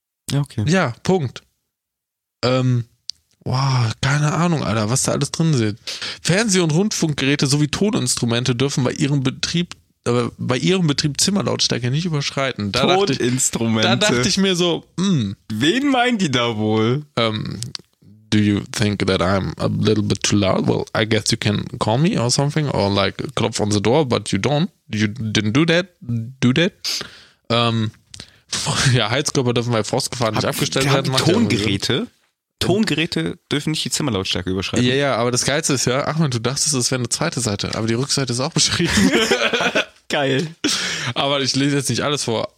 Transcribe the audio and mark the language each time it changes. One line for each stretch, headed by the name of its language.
German: Ja, okay. Ja, Punkt. Keine Ahnung, Alter, was da alles drin sind. Fernseh- und Rundfunkgeräte sowie Toninstrumente dürfen bei ihrem Betrieb Zimmerlautstärke nicht überschreiten. Da Toninstrumente. Da dachte ich mir so, wen meinen die da wohl?
English: Do you think that I'm a little bit too loud? Well, I guess you can call me or something or like
German: klopf
English: on the door, but you don't. You didn't do that.
German: Heizkörper dürfen bei Frostgefahr nicht abgestellt werden. Tongeräte dürfen nicht die Zimmerlautstärke überschreiten. Ja, aber das Geilste ist ja, Achmed, du dachtest, das wäre eine zweite Seite, aber die Rückseite ist auch beschrieben. Geil. Aber ich lese jetzt nicht alles vor.